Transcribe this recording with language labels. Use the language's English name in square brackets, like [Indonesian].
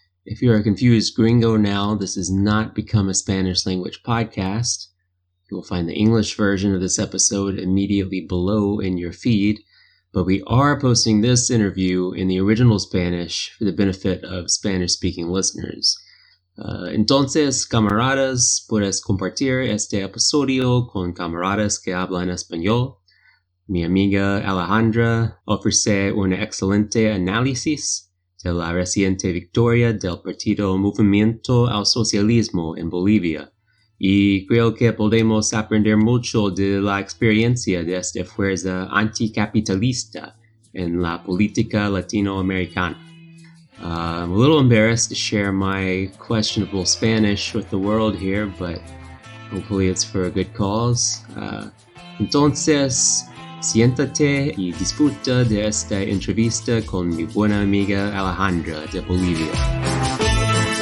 [English] If you are a confused gringo now, this is not Become a Spanish Language Podcast. You will find the English version of this episode immediately below in your feed, but we are posting this interview in the original Spanish for the benefit of Spanish-speaking listeners. [Spanish] Entonces, camaradas, puedes compartir este episodio con camaradas que hablan español. Mi amiga Alejandra ofrece un excelente análisis de la reciente victoria del Partido Movimiento al Socialismo en Bolivia. Y creo que podemos aprender mucho de la experiencia de esta fuerza anticapitalista en la política latinoamericana. [English] I'm a little embarrassed to share my questionable Spanish with the world here, but hopefully it's for a good cause. [Spanish] Entonces, siéntate y disfruta de esta entrevista con mi buena amiga Alejandra de Bolivia.